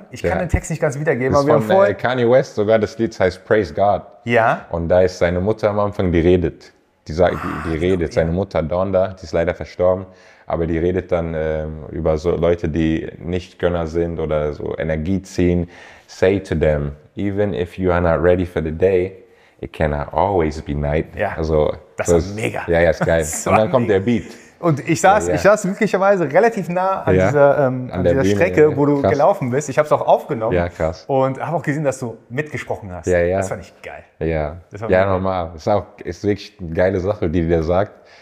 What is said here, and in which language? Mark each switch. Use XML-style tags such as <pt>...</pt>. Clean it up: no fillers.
<de>Ich kann den Text nicht ganz wiedergeben. Das ist von Kanye West sogar, das Lied heißt Praise God. Ja. Und da ist seine Mutter am Anfang, die redet. Seine Mutter Donda, die ist leider verstorben, aber die redet dann über so Leute, die nicht Gönner sind oder so Energie ziehen.</de> <en>Say to them, even if you are not ready for the day, it cannot always be night.</en> <de>Ja, also, das ist mega. Ja, ja, ist geil. Und dann kommt der Beat. Und ich saß glücklicherweise relativ nah an dieser Bühne, Strecke, wo du gelaufen bist. Ich habe es auch aufgenommen. Ja, krass. Und habe auch gesehen, dass du mitgesprochen hast. Ja, ja. Das fand ich geil. Ja, normal. Ist wirklich eine geile Sache, die dir sagt.</de>